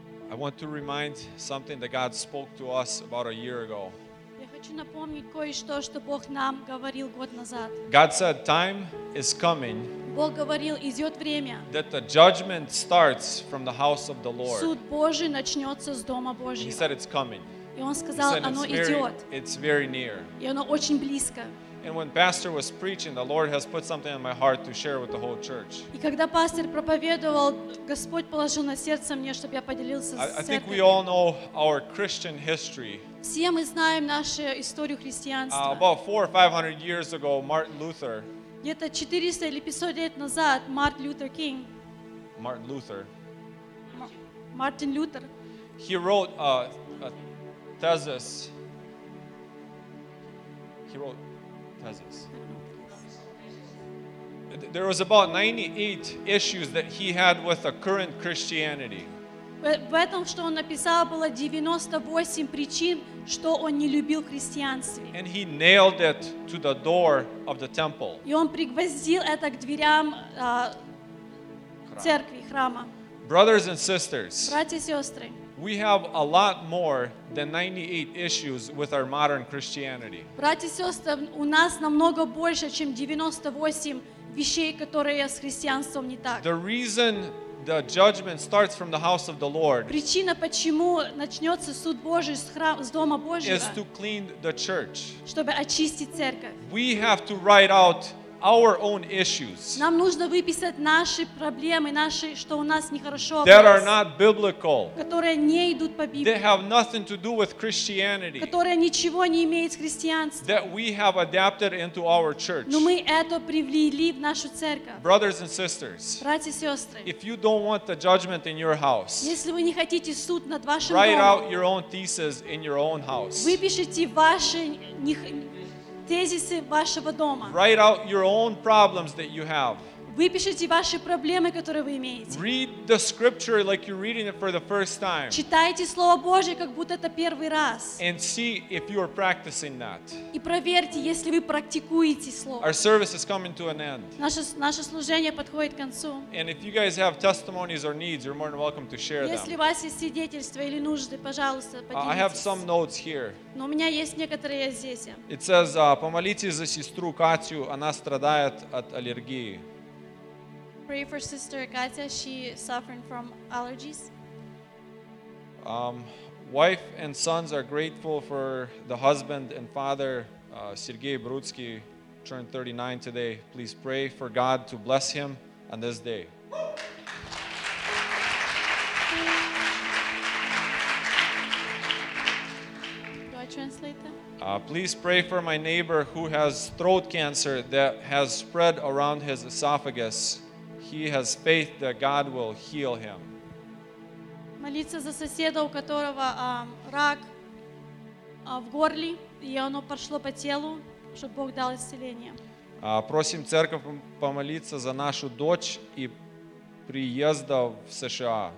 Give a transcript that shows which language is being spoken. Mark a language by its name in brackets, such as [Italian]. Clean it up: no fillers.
[English] I want to remind something that God spoke to us about a year ago. [Russian] Хочу напомнить кое-что, что Бог нам говорил год назад. [English] God said, time is coming. [Russian] Бог говорил, идет время. [English] That the judgment starts from the house of the Lord. [Russian] Суд Божий начнется с дома Божьего. [English] He said, it's coming. [Russian] И он сказал, [English] said, [Russian] оно [English] very, [Russian] идет. [English] It's very near. [Russian] И оно очень близко. [English] And when pastor was preaching, the Lord has put something in my heart to share with the whole church. [Russian] И когда пастор проповедовал, Господь положил на сердце мне, чтобы я поделился с церковью. [English] I think we all know our Christian history. [Russian] Все мы знаем нашу историю христианства. [English] About 400 or 500 years ago, Martin Luther. [Russian] Где-то 400 или 500 лет назад Martin Luther King. [English] Martin Luther. Martin Luther. He wrote a thesis. He wrote thesis. There was about 98 issues that he had with the current Christianity. [Russian] В этом, что он написал, было 98 причин, что он не любил христианство. [English] And he nailed it to the door of the temple. [Russian] И он пригвоздил это к дверям церкви, храма. [English] Brothers and sisters, [Russian] братья и сестры, [English] we have a lot more than 98 issues with our modern Christianity. [Russian] Братья и сестры, у нас намного больше, чем 98 вещей, которые с христианством не так. [English] The reason the judgment starts from the house of the Lord. [Russian] Причина, почему начнется суд Божий с храма, с дома Божьего, [English] is to clean the church. [Russian] Чтобы очистить церковь. [English] We have to write out our own issues. [Russian] Нам нужно выписать наши проблемы, наши, что у нас нехорошо. [English] That are not biblical. [Russian] Которые не идут по Библии. [English] They have nothing to do with Christianity. [Russian] Которые ничего не имеют с христианством. [English] That we have adapted into our church. [Russian] Но мы это привлекли в нашу церковь. [English] Brothers and sisters. [Russian] Братья и сестры. [English] If you don't want the judgment in your house. [Russian] Если вы не хотите суд над вашим домом. [English] Write out your own thesis in your own house. [Russian] Выпишите ваши них тезисы вашего дома. [English] Write out your own problems that you have. [Russian] Выпишите ваши проблемы, которые вы имеете. [English] Read the scripture like you're reading it for the first time. [Russian] Читайте Слово Божие, как будто это первый раз. [English] And see if you are practicing that. [Russian] И проверьте, если вы практикуете Слово. [English] Our service is coming to an end. [Russian] Наше служение подходит к концу. [English] And if you guys have testimonies or needs, you're more than welcome to share them. [Russian] Если у вас есть свидетельства или нужды, пожалуйста, поделитесь. [English] I have some notes here. [Russian] Но у меня есть некоторые здесь. [English] It says, [Russian] помолитесь за сестру Катю, она страдает от аллергии. [English] Pray for Sister Katya. She suffering from allergies. Wife and sons are grateful for the husband and father, Sergei Brudsky, turned 39 today. Please pray for God to bless him on this day. Do I translate them? Please pray for my neighbor who has throat cancer that has spread around his esophagus. He has faith that God will heal him. [Russian] Молиться за соседа, у которого рак в горле, и оно прошло по телу, чтобы Бог дал исцеление. Просим церковь помолиться за нашу дочь и приезда в США.